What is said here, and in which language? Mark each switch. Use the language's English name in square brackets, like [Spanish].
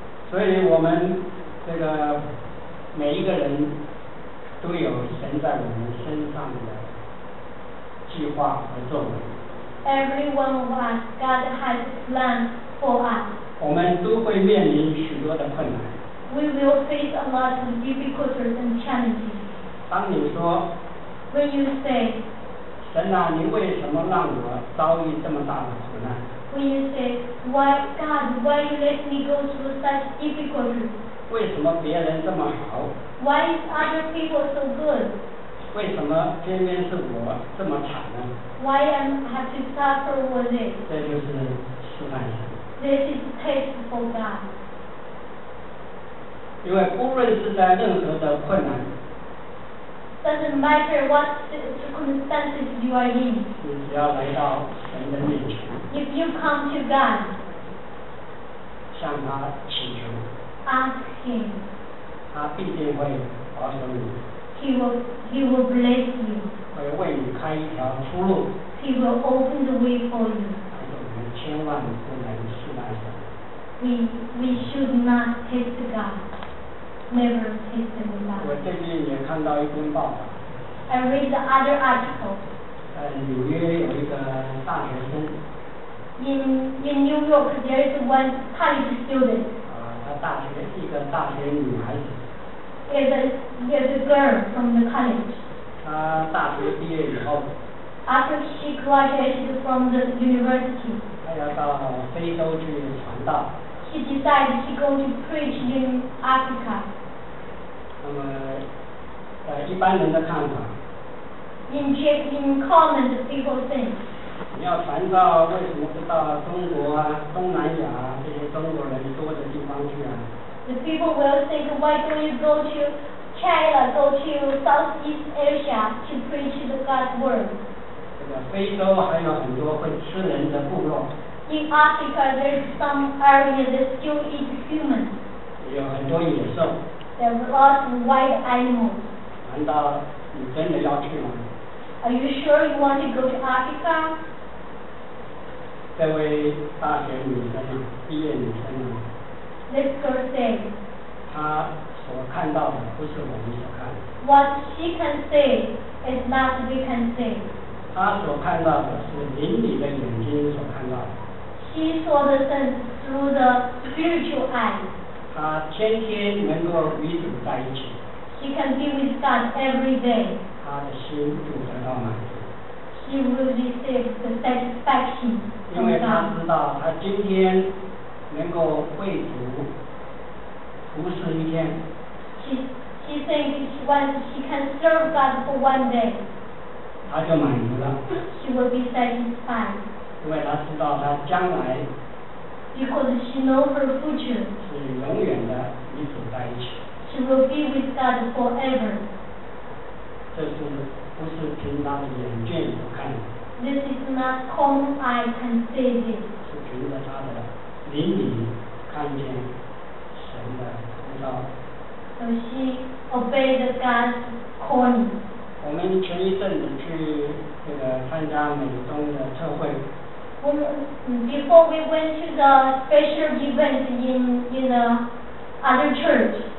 [Chinese] 所以我们这个每一个人。都有神在我们身上的计划和作为。 [English] Every one of us, God has planned for us. [Chinese] 我们都会面临许多的困难。 [English] We will face a lot of difficulties and challenges. [Chinese] 当你说 [English] When you say, [Chinese] 神啊，你为什么让我遭遇这么大的苦难？ [English] When you say, Why God, why you let me go through such difficulties? [Chinese] 为什么别人这么好？ [English] Why is other people so good? [Chinese] 为什么偏偏是我这么惨呢？ [English] Why am I have to suffer with it? [Chinese] 这就是试探神。 [English] This is test for God. [Chinese] 因为不论是在任何的困难， [English] Doesn't matter what circumstances you are in. [Chinese] 你只要来到神的面前， [English] If you come to God, [Chinese] 向他祈求。 [English] Ask him. [Chinese] 他必定会保守你。 [English] He will bless you. [Chinese] 会为你开一条出路。 [English] He will open the way for you. [Chinese] 但是我们千万不能试探神。 [English] We should not test God. Never test him God. [Chinese] 我最近也看到一篇报道。 [English] I read the other article. [Chinese] 纽约有一个大学生。 [English] In New York, there is one college student. [Chinese] 大学一个大学女孩子 [English] is a girl from the college. [Chinese] 她大学毕业以后 [English] after she graduated from the university, [Chinese] 她要到非洲去传道 [English] she decided she's going to preach in Africa. [Chinese] 那么一般人的看法 [English] in common people think, [Chinese] 你要传道为什么不到中国啊东南亚啊这些中国人多的地方去啊 [English] The people will think why don't you go to China, go to Southeast Asia to preach the God's word. [Chinese] 这个非洲还有很多会吃人的部落。 [English] In Africa, there's some area that still eat human. [Chinese] 有很多野兽。 [English] There are lots of wild animals. [Chinese] 难道你真的要去吗？ [English] Are you sure you want to go to Africa? [Chinese] 这位大学女生，毕业女生呢？ [English] This girl said. [Chinese] 她所看到的不是我们所看的。 [English] What she can say is not we can say. [Chinese] 她所看到的是灵里的眼睛所看到的。 [English] She saw the things through through the spiritual eyes. [Chinese] 他天天能够与主在一起。 [English] He can be with God every day. [Chinese] 他的心就得到满足。 [English] He will receive the satisfaction from God. [Chinese] 因为他知道他今天能够为主服侍一天。 [English] He thinks he can serve God for one day. [Chinese] 他就满足了。 [English] He will be satisfied. [Chinese] 因为他知道他将来。 [English] Because she knows her future. [Chinese] 是永远的与主在一起。 [English] She will be with God forever. [Chinese] 这是不是平常的眼见所看的。 [English] This is not common eye can see this. [Chinese] 是凭着他的灵敏看见神的呼召。 [English] So she obeyed God's calling. [Chinese] 我们前一阵子去那个参加美东的特会。 [English] Before we went to the special event in the other church,